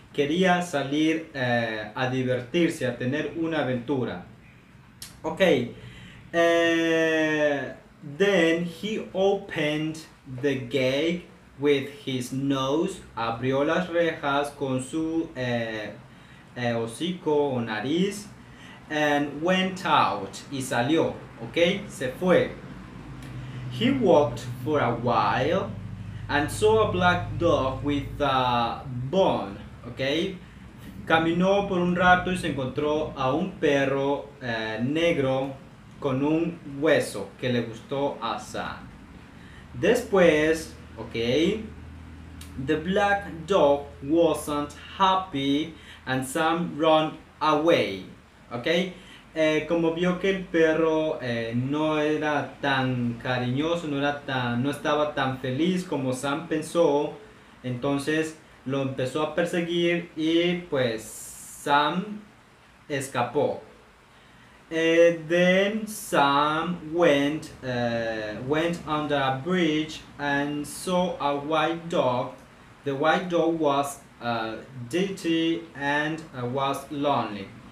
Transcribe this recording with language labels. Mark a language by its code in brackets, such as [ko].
[es] quería salir a divertirse, a tener una aventura. [en] Ok. Then he opened the gate with his nose. [es] Abrió las rejas con su hocico o nariz. [en] And went out. [es] Y salió. Ok. Se fue. [en] He walked for a while and saw a black dog with a bone. Ok. [es] Caminó por un rato y se encontró a un perro negro con un hueso que le gustó a Sam. Después, [en] ok, the black dog wasn't happy and Sam ran away. Ok. [es] Como vio que el perro no era tan cariñoso, no estaba tan feliz como Sam pensó, entonces lo empezó a perseguir y pues Sam escapó. [en] Then Sam went under a bridge and saw a white dog. The white dog was dirty and was lonely.